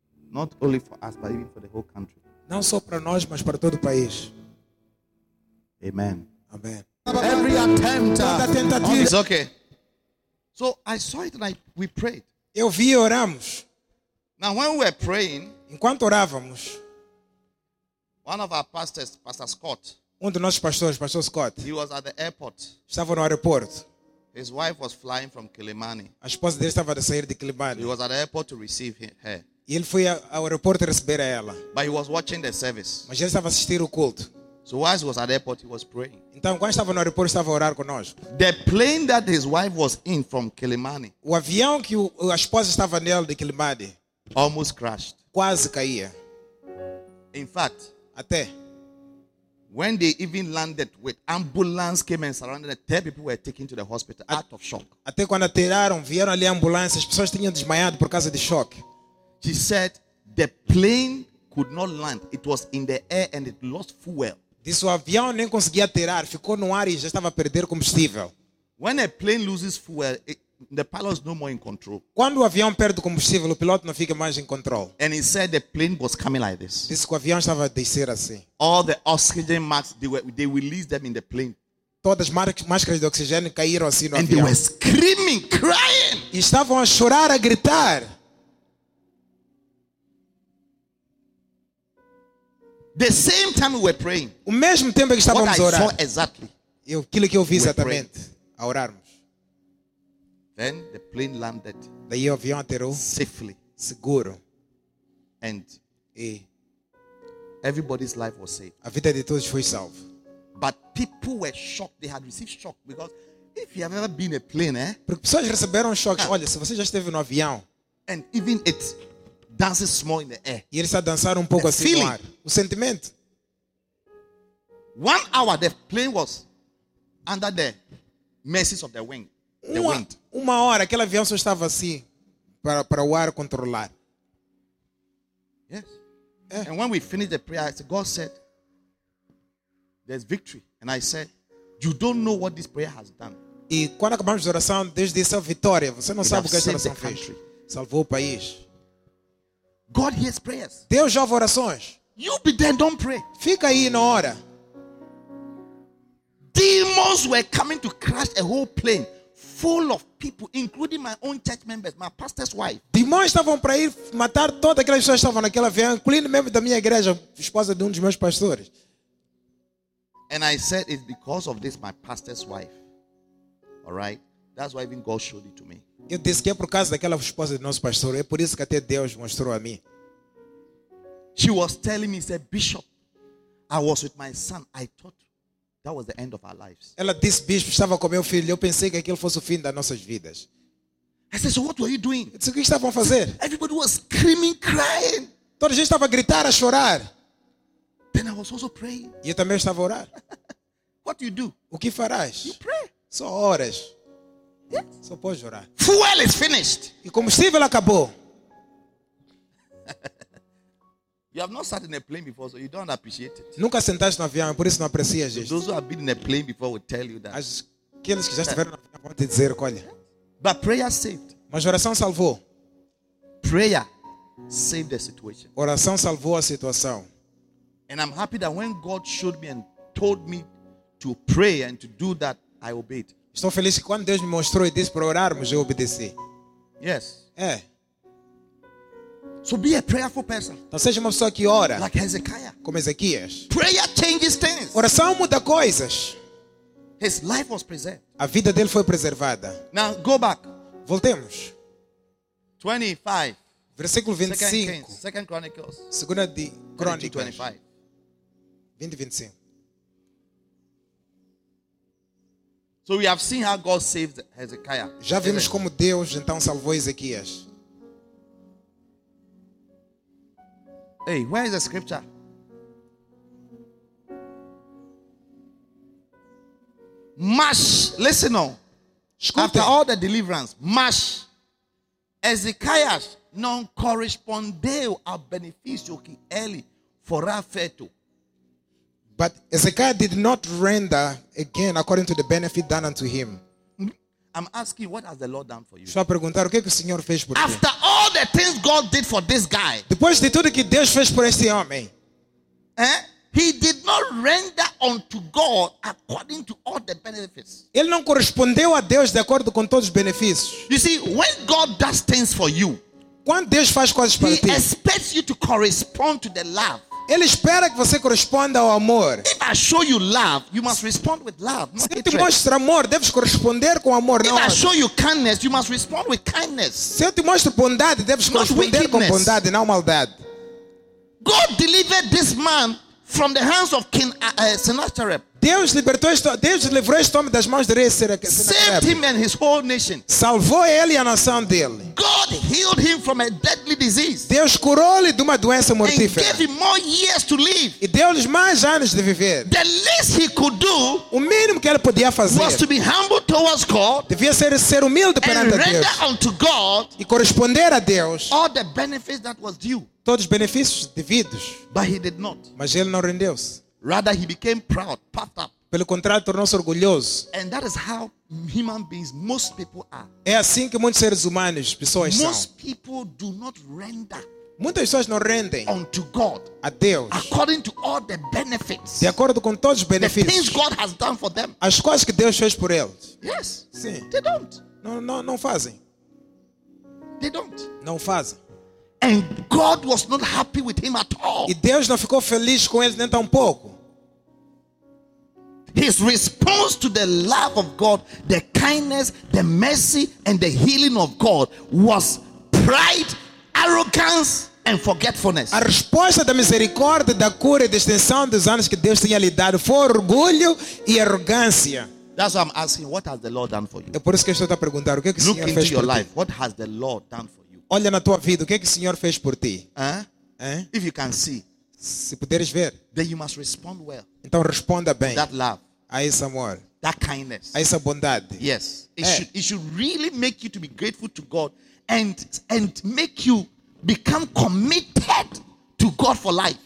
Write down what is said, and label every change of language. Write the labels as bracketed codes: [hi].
[en] Not only for us, but even for the whole country. [pt] Não só para nós, mas para todo o país. [en] Amen. [pt] Amen. [en] Every attempt. [pt] Toda tentativa. [en] It's okay. So I saw it and we prayed. [pt] Eu vi e oramos. [en] Now when we were praying, [pt] enquanto orávamos, [en] one of our pastors, Pastor Scott. [pt] Um dos nossos pastores, Pastor Scott, [en] he was at the airport. [pt] Estava no aeroporto. [en] His wife was flying from Kilimani. [pt] A esposa dele estava a sair de Kilimani. [en] He was at the airport to receive her. [pt] E ele foi ao aeroporto receber a ela. [en] But he was watching the service. [pt] Mas ele estava a assistir o culto. [en] So while he was at the airport, he was praying. [pt] Então, quando estava no aeroporto, estava a orar conosco. [en] The plane that his wife was in from Kilimani. [pt] O avião que a esposa estava nele de Kilimani. [en] Almost crashed. [pt] Quase caía. [en] In fact, [pt] até [en] when they even landed with ambulance came and surrounded the 10 people were taken to the hospital out of shock. [pt] Até quando aterraram, vieram ali ambulâncias, as pessoas tinham desmaiado por causa de choque. [en] She said the plane could not land. It was in the air and it lost fuel. [pt] Disse o avião nem conseguia aterrar, ficou no ar e já estava a perder combustível. [en] When a plane loses fuel, the pilot is no more in control. [pt] Quando o avião perde combustível, o piloto não fica mais em controle. [en] And he said the plane was coming like this. [pt] Disse que o avião estava a descer assim. [en] All the oxygen masks they released them in the plane. [pt] Todas as máscaras de oxigênio caíram assim no [en] and [pt] avião. [en] And they were screaming, crying. [pt] E estavam a chorar, a gritar. [en] The same time we were praying. [pt] O mesmo tempo que estávamos [en] what [pt] a orar. [en] What I saw exactly. [pt] E aquilo que eu vi exatamente a orarmos. [en] Then the plane landed. [pt] Daí o avião aterrou [en] safely, [pt] seguro. [en] And [pt] e [en] everybody's life was saved. [pt] A vida de todos foi salva. [en] But people were shocked. They had received shock because if you have ever been a plane, eh? [pt] Porque pessoas receberam choque. Olha, se você já esteve no avião, [en] and even it dances small in the air. [pt] E ele está a dançar pouco [en] the [pt] assim [en] feeling. [pt] No ar. O sentimento. [en] 1 hour the plane was under the mercy of the wing. [pt] Uma hora, aquele avião só estava assim para o ar controlar. [en] Yes. Yeah. And when we finished the prayer, I said, God said, "There's victory." And I said, "You don't know what this prayer has done." [pt] E quando acabamos a oração, Deus disse, "Vitória, você não [en] it [pt] sabe o que esta oração fez. Salvou o país." [en] God hears prayers. [pt] Deus ouve orações. [en] You be there, don't pray. [pt] Fica aí na hora. [en] Demons were coming to crash a whole plane. Full of people, including my own church members, my pastor's wife. [pt] Demônios estavam para ir matar todas aquelas pessoas que estavam naquela avião, incluindo membros da minha igreja, esposa de um dos meus pastores. [en] And I said, it's because of this, my pastor's wife. Alright? That's why even God showed it to me. [pt] Eu disse que é por causa daquela esposa do nosso pastor. É por isso que até Deus mostrou a mim. [en] She was telling me, said, Bishop, I was with my son. I thought that was the end of our lives. [pt] Ela disse, Bispo, estava com meu filho. Eu pensei que aquilo fosse o fim das nossas vidas. [en] I said, so what were you doing? [pt] Eu disse, o que estavam a fazer? [en] Everybody was screaming, crying. [pt] Toda a gente estava a gritar, a chorar. [en] Then I was also praying. [pt] E eu também estava a orar. [en] What do you do? [pt] O que farás? [en] You pray. [pt] Só oras. [en] Yes. [pt] Só podes orar. [en] Fuel is finished. [pt] E combustível acabou. [en] You have not sat in a plane before, so you don't appreciate it. [pt] Nunca sentaste no avião, por isso não aprecias isso. [en] Those who have been in a plane before will tell you that. [pt] Aqueles que já estiveram no avião podem dizer, olha. [en] But prayer saved. [pt] Mas oração salvou. [en] Prayer saved the situation. [pt] Oração salvou a situação. [en] And I'm happy that when God showed me and told me to pray and to do that, I obeyed. [pt] Estou feliz que quando Deus me mostrou e disse para orarmos, eu obedeci. [en] Yes. [pt] É. [en] So be a prayerful person. [pt] Então seja uma pessoa que ora. [en] Like Hezekiah. [pt] Como Ezequias. [en] Prayer changes things. [pt] Oração muda coisas. [en] His life was preserved. [pt] A vida dele foi preservada. [en] Now go back. [pt] Voltemos. [en] 25. [pt] Versículo [en] 25. Second Chronicles. [pt] Segunda de Crônicas. [en] 20:25. So we have seen how God saved Hezekiah. [pt] Já vimos como Deus então salvou Ezequias. [en] Hey, where is the scripture? Mash, listen on. [pt] Escuta. [en] After all the deliverance, [pt] Mash, Ezekiah, non correspondeu a benefício que ele fora feito. [en] But Ezekiah did not render again according to the benefit done unto him. I'm asking, what has the Lord done for you? [pt] Só perguntar o que o Senhor fez por ti. [en] After all the things God did for this guy. [pt] Depois de tudo que Deus fez por este homem. Eh? [en] He did not render unto God according to all the benefits. [pt] Ele não correspondeu a Deus de acordo com todos os benefícios. [en] You see, when God does things for you. [pt] Quando Deus faz coisas para ti. [en] He expects you to correspond to the love. [pt] Ele espera que você corresponda ao amor. [en] If I show you love, you must respond with love. [pt] Se eu te mostro amor, deves corresponder com amor. [en] If I show you kindness, you must respond with kindness. [pt] Se eu te mostro bondade, deves corresponder com bondade, não maldade. [en] God delivered this man from the hands of King Sennacherib. [pt] Deus libertou Deus livrou este homem das mãos de rei Sennacherib. [en] Saved him and his whole nation. [pt] Salvou ele e a nação dele. [en] God healed him from a deadly disease. [pt] Deus curou-lhe de uma doença mortífera. [en] And gave him more years to live. [pt] E deu-lhe mais anos de viver. [en] The least he could do. [pt] O mínimo que ele podia fazer. [en] Was to be humble towards God. [pt] Devia ser humilde perante [en] and [pt] a Deus. [en] Render unto God. [pt] E corresponder a Deus. [en] All the benefits that was due. [pt] Todos os benefícios devidos. [en] But he did not. [pt] Mas ele não rendeu-se. [en] Rather, he became proud, puffed up. [pt] Pelo contrário, tornou-se orgulhoso. [en] And that is how human beings, most people are. [pt] É assim que muitos seres humanos, pessoas [en] most [pt] são. [en] Most people do not render. [pt] Muitas pessoas não rendem. [en] Unto God. [pt] A Deus. [en] According to all the benefits. [pt] De acordo com todos os benefícios. [en] The things God has done for them. [pt] As coisas que Deus fez por eles. [en] Yes. [pt] Sim. [en] They don't. [pt] Não fazem. [en] They don't. [pt] Não fazem. [en] And God was not happy with him at all. [pt] E Deus não ficou feliz com ele nem tão pouco. [en] His response to the love of God, the kindness, the mercy, and the healing of God was pride, arrogance, and forgetfulness. [pt] A resposta da misericórdia, da cura e da extensão dos anos que Deus tinha lhe dado foi orgulho e arrogância. [en] That's why I'm asking, what has the Lord done for you? [pt] É por isso que eu estou a perguntar, o que o Senhor fez por ti? [en] What has the Lord done for you? [pt] Olha na tua vida, o que é que o Senhor fez por ti? [en] If you can see, [pt] se puderes ver, [en] then you must respond well. [pt] Então responda bem. [en] That love, [pt] a esse amor, [en] that kindness, [pt] a essa bondade. [en] Yes, it should really make you to be grateful to God and make you become committed to God for life.